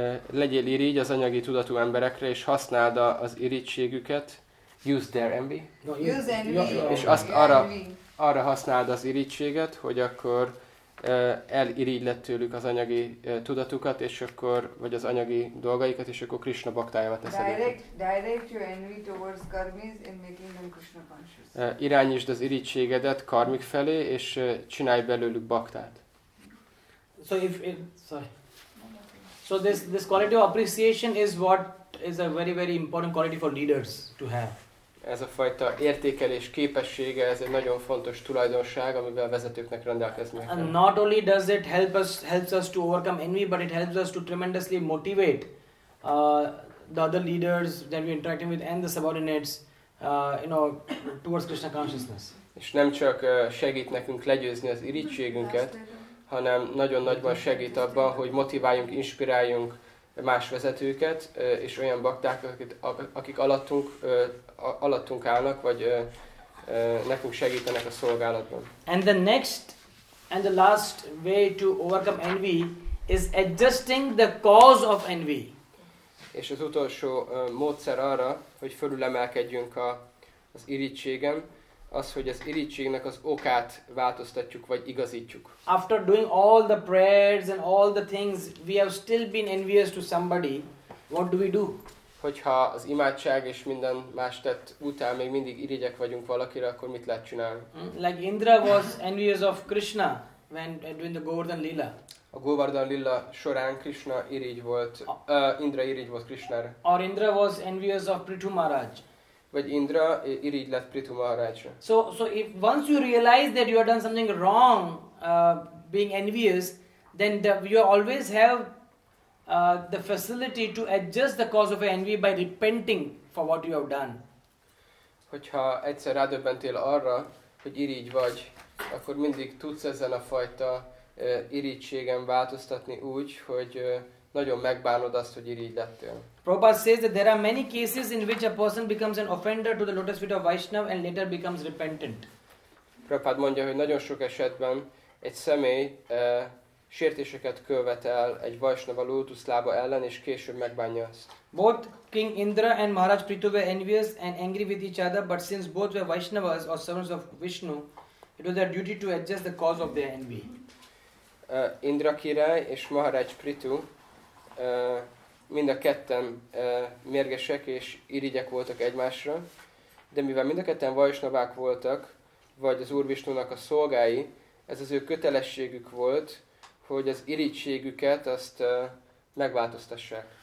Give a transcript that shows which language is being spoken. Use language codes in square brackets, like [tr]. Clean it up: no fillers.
[hu] Legyél irigy az anyagi tudatú emberekre, és használd az irigységüket. [en] Use their envy. Use envy. [hu] És azt arra használd az irigységet, hogy akkor elirigy lett tőlük az anyagi tudatukat, és akkor, vagy az anyagi dolgaikat, és akkor Krishna baktájába teszed. [en] Direct your envy towards karmis in making them Krishna conscious. [hu] Irányítsd az irigységedet karmik felé, és csinálj belőlük baktát. [en] So this quality of appreciation is what is a very very important quality for leaders to have. [hu] Ez a fajta értékelés képessége, ez egy nagyon fontos tulajdonság, amivel a vezetőknek rendelkezni kell. [en] And not only does it helps us to overcome envy, but it helps us to tremendously motivate the other leaders that we interacting with and the subordinates towards Krishna consciousness. [hu] És nem csak segít nekünk legyőzni az irigységünket, hanem nagyon nagyban segít abban, hogy motiváljunk, inspiráljunk más vezetőket és olyan baktákat, akik alattunk állnak, vagy nekünk segítenek a szolgálatban. [en] And the next and the last way to overcome envy is adjusting the cause of envy. [hu] És az utolsó módszer arra, hogy fölülemelkedjünk az irigységen, az, hogy az irigységnek az okát változtatjuk, vagy igazítjuk. [en] After doing all the prayers and all the things, we have still been envious to somebody, what do we do? [hu] Hogyha az imádság és minden más tett után még mindig irigyek vagyunk valakire, akkor mit lehet csinálni? [en] Like Indra was envious of Krishna when doing the Govardhan Lila. [hu] A Govardhan Lila során Krishna irigy volt, Indra irigy volt Krishnára. [en] Or Indra was envious of Prithu Maharaj. [hu] Vagy Indra irigy lett Prithu Maharajra. [en] So if once you realize that you have done something wrong, being envious, then you always have the facility to adjust the cause of envy by repenting for what you have done. [hu] Hogyha egyszer rádöbbentél arra, hogy irigy vagy, akkor mindig tudsz ezen a fajta irigységen változtatni úgy, hogy nagyon megbánod azt, hogy irigy lettél. [en] Prabhupada says that there are many cases in which a person becomes an offender to the lotus feet of Vaishnava and later becomes repentant. [hu] Prabhupada mondja, hogy nagyon sok esetben egy személy sértéseket követ el egy Vaishnava lótuszlába ellen, és később megbánja azt. [en] Both King Indra and Maharaj Prithu were envious and angry with each other, but since both were Vaishnavas or servants of Vishnu, it was their duty to adjust the cause of their envy. [hu] Indra király és Maharaj Prithu mind a ketten mérgesek és irigyek voltak egymásra, de mivel mind a ketten vajsnavák voltak, vagy az Úr Vishnunak a szolgái, ez az ő kötelességük volt, hogy az irigységüket azt megváltoztassák.